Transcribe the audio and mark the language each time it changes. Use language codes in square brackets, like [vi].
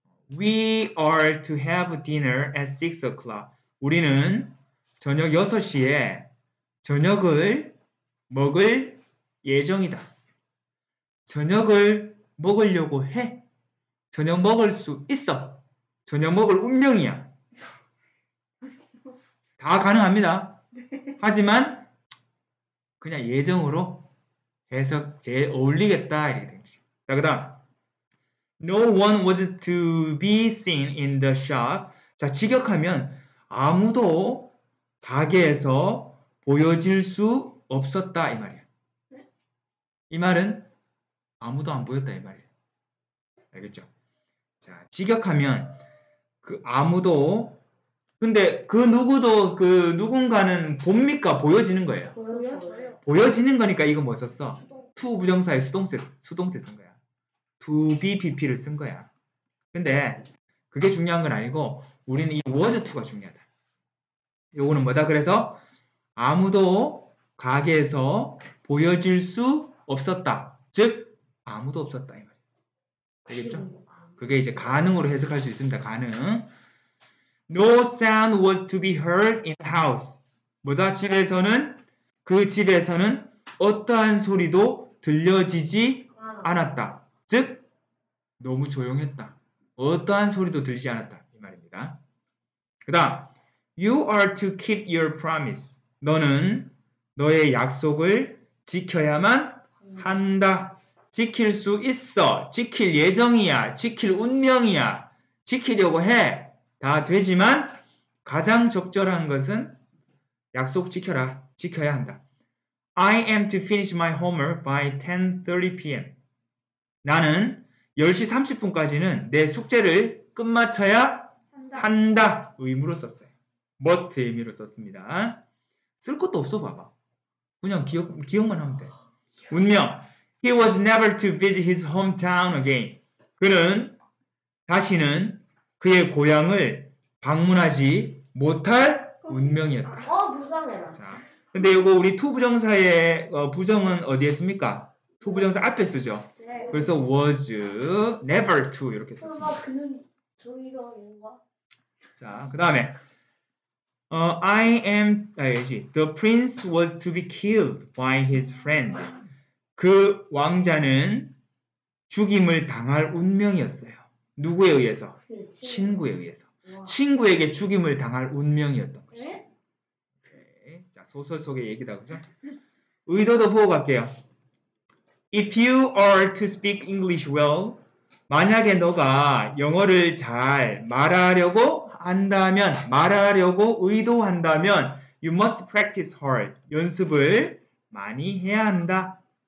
[en] We are to have dinner at 6 o'clock. [ko] 우리는 저녁 6시에 저녁을 먹을 예정이다. 저녁을 먹으려고 해. 저녁 먹을 수 있어. 저녁 먹을 운명이야. 다 가능합니다. 하지만 그냥 예정으로 해석 제일 어울리겠다. 이렇게 된 거죠. 자, 그 다음. [en] No one was to be seen in the shop. [ko] 자, 직역하면 아무도 가게에서 보여질 수 없었다 이 말이야. 이 말은 아무도 안 보였다 이 말이야. 알겠죠? 자, 직역하면 그 아무도 근데 그 누구도 그 누군가는 봅니까? 보여지는 거예요. 보여지는 거니까 이거 뭐 썼어? to 부정사의 수동태 쓴 거야. to be pp를 쓴 거야. 근데 그게 중요한 건 아니고 우리는 이 was to가 중요하다. 요거는 뭐다? 그래서 아무도 가게에서 보여질 수 없었다. 즉 아무도 없었다 이 말이야. 알겠죠? 그게 이제 가능으로 해석할 수 있습니다. 가능. [en] No sound was to be heard in the house. [ko] 뭐다? 집에서는 그 집에서는 어떠한 소리도 들려지지 않았다. 즉 너무 조용했다. 어떠한 소리도 들리지 않았다 이 말입니다. 그다음 [en] You are to keep your promise. [ko] 너는 너의 약속을 지켜야만 한다. 지킬 수 있어. 지킬 예정이야. 지킬 운명이야. 지키려고 해. 다 되지만 가장 적절한 것은 약속 지켜라. 지켜야 한다. [en] I am to finish my homework by 10:30 p.m. [ko] 나는 10시 30분까지는 내 숙제를 끝마쳐야 한다. 의무로 썼어요. must 의미로 썼습니다. 쓸 것도 없어 봐봐. 그냥 기억만 하면 돼. 운명. [en] He was never to visit his hometown again. [ko] 그는 다시는 그의 고향을 방문하지 못할 운명이었다. 무상해라. 자, 근데 이거 우리 to 부정사의 부정은 어디에 씁니까? to 부정사 앞에 쓰죠. 네. 그래서 was never to 이렇게 썼습니다. 그는 저희가 뭔가? 자, 그 다음에 [en] I am [ko] 알지? [en] The prince was to be killed by his friend. [ko] 그 왕자는 죽임을 당할 운명이었어요. 누구에 의해서? 그치. 친구에 의해서. 우와. 친구에게 죽임을 당할 운명이었던 거죠. 네? 자, 소설 속의 얘기다, 그죠? 의도도 보고 갈게요. [en] If you are to speak English well, [ko] 만약에 너가 영어를 잘 말하려고 한다면, 말하려고 의도한다면, [en] you must practice hard. [ko] 연습을 많이 해야 한다.